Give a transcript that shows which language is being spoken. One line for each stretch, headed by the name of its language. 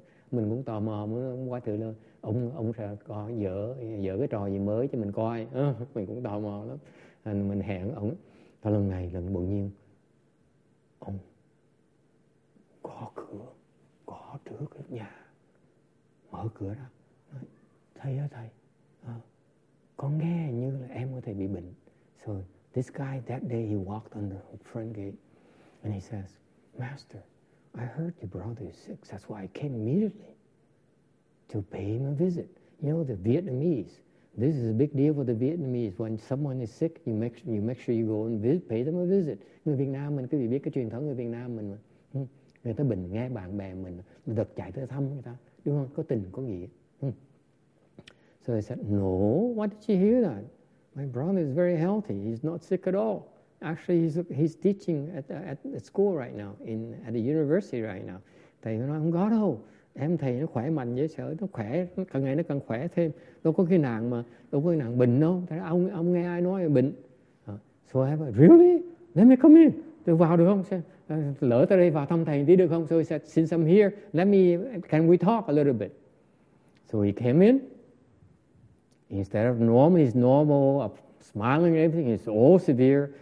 Vietnamese: Mình cũng tò mò, muốn qua thử lên. Ông sẽ có dở cái trò gì mới cho mình coi. Mình cũng tò mò lắm. Anh mình hẹn ông, có lần này lần bỗng nhiên ông có cửa, có trước nhà, mở cửa ra, nói, thầy ơi thầy, con nghe như là em có thể bị bệnh.
English: So this guy that day he walked on the front gate and he says, master, I heard your brother is sick. That's why I came immediately to pay him a visit. You know, the Vietnamese, this is a big deal for the Vietnamese. When someone is sick, you make sure you go and visit, pay them a visit.
Vietnamese: Người Việt Nam mình, quý vị biết cái truyền thống người Việt Nam mình mà. Người ta bệnh nghe bạn bè mình, đợt chạy tới thăm người ta. Đúng không? Có tình, có nghĩa.
English: So I said, no, why did you hear that? My brother is very healthy. He's not sick at all. Actually, he's teaching at school right now, at the university right now.
Vietnamese: Thầy nói, không có đâu. Em thầy nó khỏe mạnh dễ sợ, nó khỏe, càng ngày nó càng khỏe thêm. Đâu có cái nạn mà, đâu có cái nạn bệnh đâu. Thế ông nghe ai nói là bệnh.
English: So I said, really? Let me come in.
Vietnamese: Tôi vào được không? Lỡ tới đây vào thăm thầy tí được không?
English: So he said, since I'm here, can we talk a little bit? So he came in. Instead of his normal, smiling and everything, he's all severe.